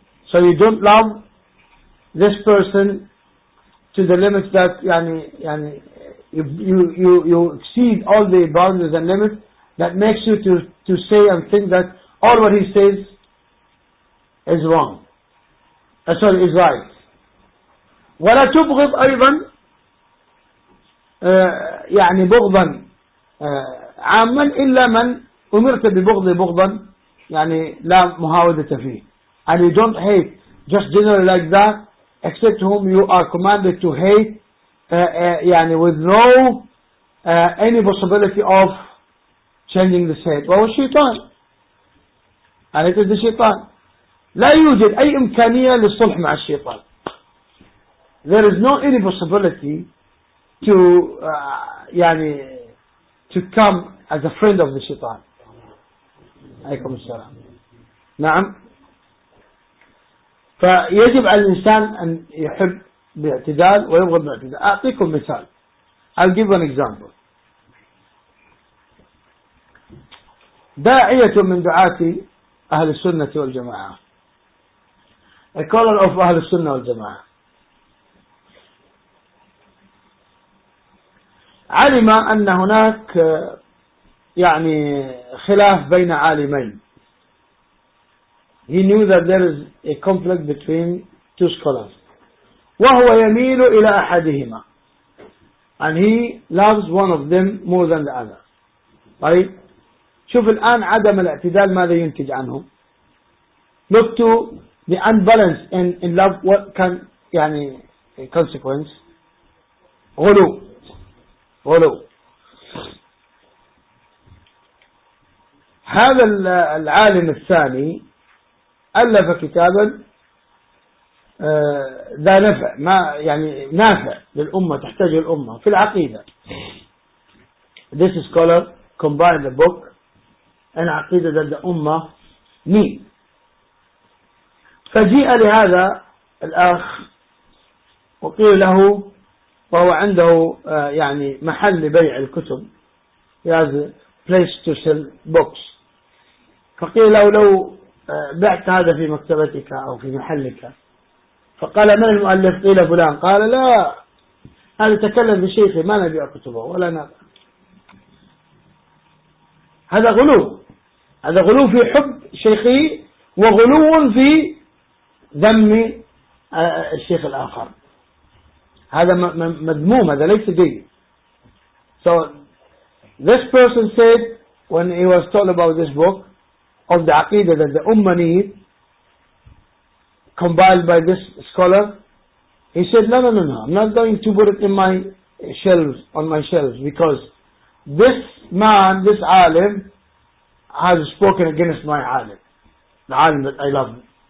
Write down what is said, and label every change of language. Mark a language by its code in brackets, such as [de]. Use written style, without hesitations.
[en] So you don't love this person to the limit that [ar] يعني [en] you exceed all the boundaries and limits that makes you to say and think that all what he says is wrong. Sorry, is right. [ar] ولا تبغض أيضا يعني بغضا عاما إلا من أمرت ببغض بغضا يعني لا مهاودة فيه. [en] And you don't hate just generally like that except whom you are commanded to hate [ar] يعني [en] with no any possibility of changing the state. Well, الشيطان. And it is the شيطان. [ar] لا يوجد أي إمكانية للصلح مع الشيطان. [en] There is no any possibility to [ar] يعني [en] to come as a friend of the شيطان. [ar] عليكم السلام. نعم. فيجب على الإنسان أن يحب باعتدال ويبغض باعتدال. أعطيكم مثال. [en] I'll give an example. [ar] داعية من دعاة أهل السنة والجماعة. [en] A caller of أهل السنة والجماعة. [ar] علم أن هناك يعني خلاف بين عالمين. [en] He knew that there is a conflict between two scholars. [ar] وهو يميل إلى أحدهما. [en] And he loves one of them more than the other. [ar] طيب. شوف الآن عدم الاعتدال ماذا ينتج عنه. [en] Look to the unbalance in love. What can [ar] يعني [en] consequence. [ar] غلو. غلو. هذا العالم الثاني ألف كتابا ذا نفع ما يعني نافع للأمة تحتاج الأمة في العقيدة. [en] This scholar combined a book in عقيدة that the أمة need. [ar] فجيء لهذا الأخ وقيل له وهو عنده يعني محل لبيع الكتب. [en] He has a place to sell books. [ar] فقيل له لو بعت هذا في مكتبتك أو في محلك. فقال من المؤلف؟ قيل فلان. قال لا هذا تكلم بشيخي ما نبيع كتبه ولا نبع. هذا غلو. هذا غلو في حب شيخي وغلو في ذم الشيخ الآخر. هذا مذموم. هذا ليس جيد. [en] So this person said when he was told about this book of the aqidah that the ummah need compiled by this scholar, he said no, I'm not going to put it in my shelves, on my shelves, because this man, this alim, has spoken against my alim, the alim that I love.